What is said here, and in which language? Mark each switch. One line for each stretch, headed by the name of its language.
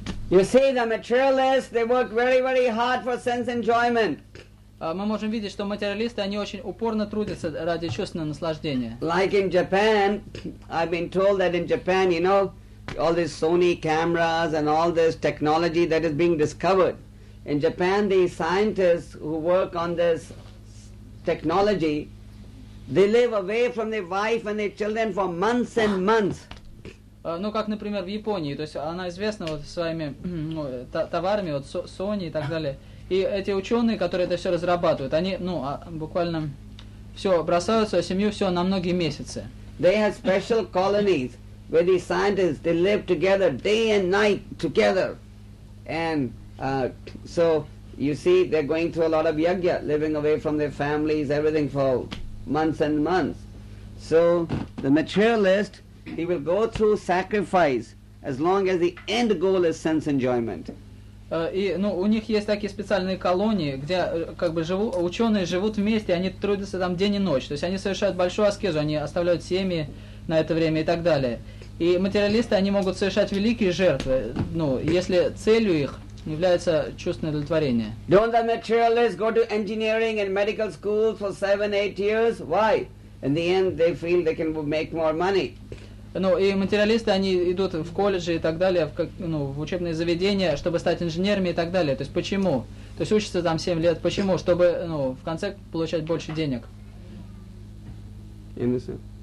English: You see, the materialists, they work very, very hard for sense enjoyment.
Russian: Мы можем видеть, что материалисты, они очень упорно трудятся ради чувственного наслаждения.
English: Like in Japan, I've been told that in Japan, you know, all these Sony cameras and all this technology that is being discovered. In Japan, the scientists who work on this technology, they live away from their wife and their children for months and months.
Russian: Ну, как, например, в Японии, то есть она известна вот своими товарами, вот Sony и так далее. И эти ученые, которые это все разрабатывают, они, ну, буквально все бросают свою семью, все на многие месяцы.
English: They have special colonies where the scientists, they live together day and night together. And so you see, they're going through a lot of yagya, living away from their families, everything for months and months. So the materialist, he will go through sacrifice as long as the end goal is sense enjoyment.
Russian: И, ну, у них есть такие специальные колонии, где как бы ученые живут вместе, они трудятся там день и ночь. То есть они совершают большую аскезу, они оставляют семьи на это время и так далее. И материалисты, они могут совершать великие жертвы, ну, если целью их является чувственное удовлетворение.
English: Don't the materialists go to engineering and medical schools for 7-8 years? Why? In the end, they feel they can make more money.
Russian: Ну, и материалисты, они идут в колледжи и так далее, в, как, ну, в учебные заведения, чтобы стать инженерами и так далее. То есть почему? То есть учатся там 7 лет. Почему? Чтобы, ну, в конце получать больше денег.
English: Innocent.